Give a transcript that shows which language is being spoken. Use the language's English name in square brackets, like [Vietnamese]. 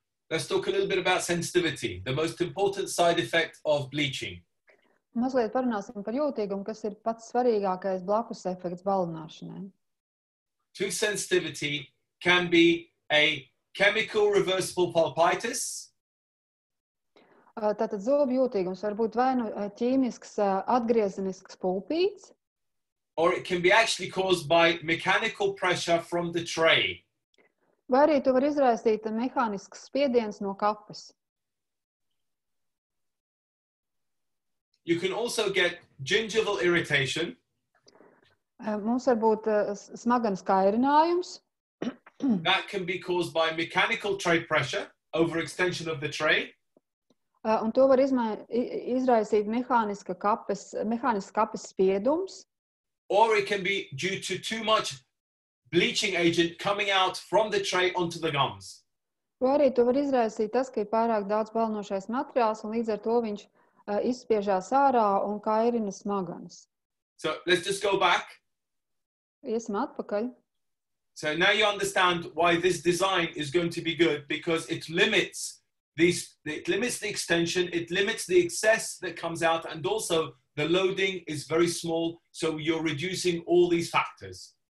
[English] Let's talk a little bit about sensitivity, the most important side effect of bleaching. [Latvian] Mazliet parunāsim par jūtīgumu, kas ir pats svarīgākais blakus efekts balināšanai. [English] Tooth sensitivity can be a chemical reversible pulpitis. [Latvian] Tātad zobu jūtīgums var būt vai nu ķīmisks atgriezenisks pulpīts. [English] Or it can be actually caused by mechanical pressure from the tray. [Latvian] Vai arī to var izraisīt mehānisks spiediens no kapas. [English] You can also get gingival irritation. [Latvian] Mums var būt smagans kairinājums. [English] That can be caused by mechanical tray pressure, overextension of the tray. [Latvian] Un to var izraisīt mehānisks kapes spiedums. [English] Or it can be due to too much bleaching agent coming out from the tray onto the gums. [Latvian] Vai arī to var izraisīt tas, ka ir pārāk daudz balinošais materiāls, un līdz ar to viņš izspiežās ārā un kairina smaganas. [English] So let's just go back. [Latvian] Iesim atpakaļ. [English] So now you understand why this design is going to be good, because it limits the extension, it limits the excess that comes out, and also the loading is very small, so you're reducing all these factors.